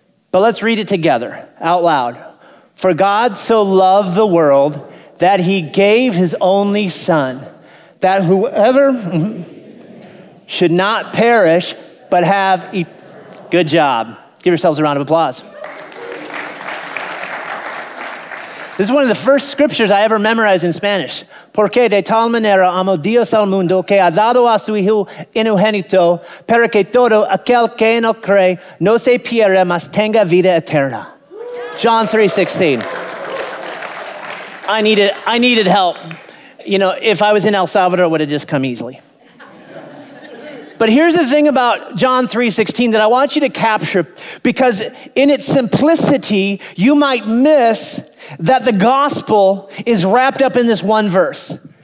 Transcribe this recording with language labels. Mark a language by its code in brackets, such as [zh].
[en] But let's read it together out loud. For God so loved the world that he gave his only son, that whoever should not perish, but have good job. Give yourselves a round of applause. This is one of the first scriptures I ever memorized in Spanish. [es] Porque de tal manera amó Dios al mundo que ha dado a su hijo unigénito para que todo aquel que en él cree no se pierda, mas tenga vida eterna. [en] John 3:16. I needed help. You know, if I was in El Salvador, it would have just come easily. But here's the thing about John 3:16 that I want you to capture, because in its simplicity, you might miss that the gospel is wrapped up in this one verse.